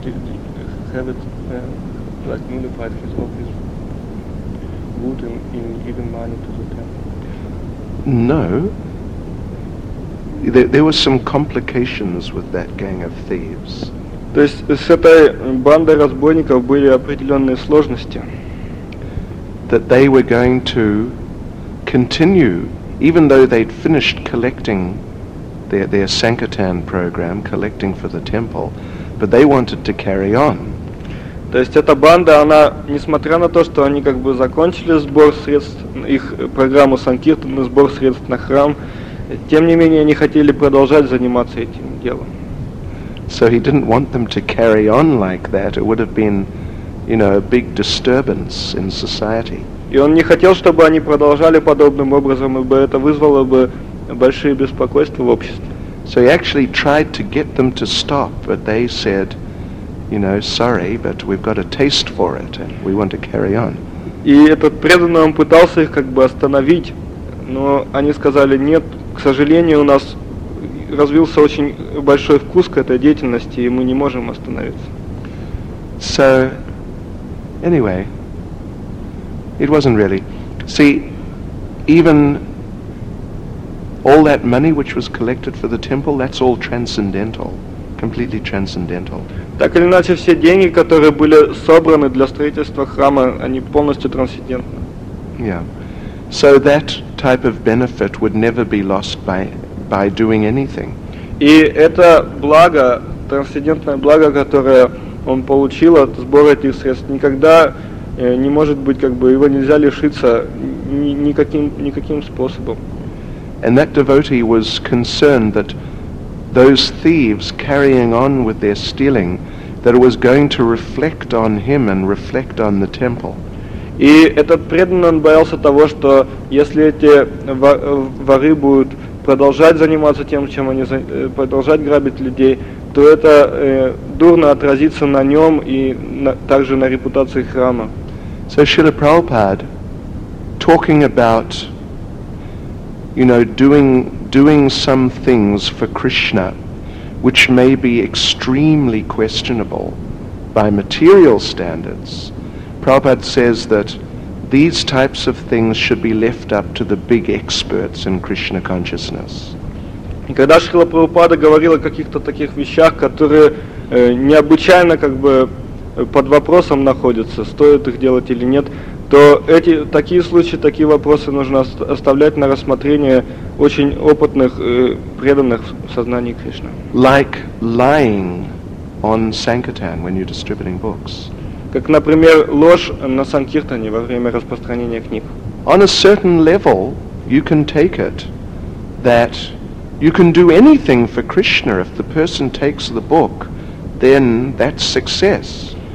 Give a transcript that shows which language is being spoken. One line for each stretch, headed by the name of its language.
English: Did have it like nullified his all his good in giving money to the temple? No. There were some complications with that gang of thieves.
Russian: То есть с этой бандой разбойников были определенные сложности.
English: That they were going to continue, even though they'd finished collecting their Sankirtan program, collecting for the temple, but they wanted to carry on.
Russian: То есть эта банда, она, несмотря на то, что они как бы закончили сбор средств, их программу Санкиртан, сбор средств на храм, тем не менее они хотели продолжать заниматься этим делом.
English: So he didn't want them to carry on like that. It would have been, you know, a big disturbance in society.
Russian: И он не хотел, чтобы они продолжали подобным образом, ибо это вызвало бы большие беспокойства в обществе.
English: So he actually tried to get them to stop, but they said, you know, sorry, but we've got a taste for it and we want to carry on.
Russian: И этот преданный он пытался их как бы остановить, но они сказали: "Нет, к сожалению, у нас развился очень большой вкус к этой деятельности, и мы не можем остановиться".
English: So, anyway, it wasn't really. See, even all that money which was collected for the temple, that's all transcendental, completely transcendental.
Russian: Так или иначе, все деньги, которые были собраны для строительства храма, они полностью трансцендентны.
English: Yeah. So that type of benefit would never be lost by doing anything.
Russian: И это благо, трансцендентное благо, которое он получил от сбора этих средств, никогда не может быть, как бы, его нельзя лишиться никаким способом.
English: And that devotee was concerned that those thieves carrying on with their stealing, that it was going to reflect on him and reflect on the temple.
Russian: И этот преданный, он боялся того, что если эти воры будут продолжать заниматься тем, чем они продолжать грабить людей, то это дурно отразится на нем и также на репутации храма.
English: So Srila Prabhupada, talking about, you know, doing some things for Krishna, which may be extremely questionable by material standards, Prabhupada says that these types of things should be left up to the big experts in Krishna consciousness.
Russian: И когда Шрила Прабхупада говорил о каких-то таких вещах, которые необычайно как бы под вопросом находятся, стоит их делать или нет, то эти такие случаи, такие вопросы нужно оставлять на рассмотрение очень опытных преданных в сознании Кришны.
English: Like lying on Sankirtan when you're distributing books.
Russian: Как, например, ложь на Санкиртане во время распространения книг.
English: On a certain level, you can take it that you can do anything for Krishna. If the person takes the book, then that's success.